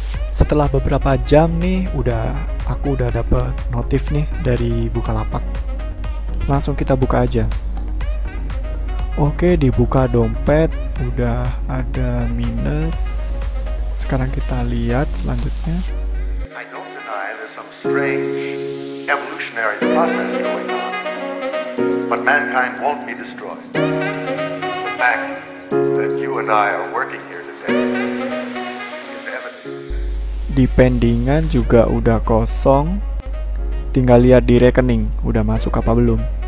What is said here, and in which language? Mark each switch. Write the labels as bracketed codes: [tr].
[id] Setelah beberapa jam nih, aku udah dapet notif nih dari Bukalapak. Langsung kita buka aja. Oke, dibuka dompet, udah ada minus. Sekarang kita lihat selanjutnya. [en] I don't deny there's some strange evolutionary process going on, but mankind won't be destroyed. The fact that you and I are working here today. [id] Di pendingan juga udah kosong. Tinggal lihat di rekening, udah masuk apa belum.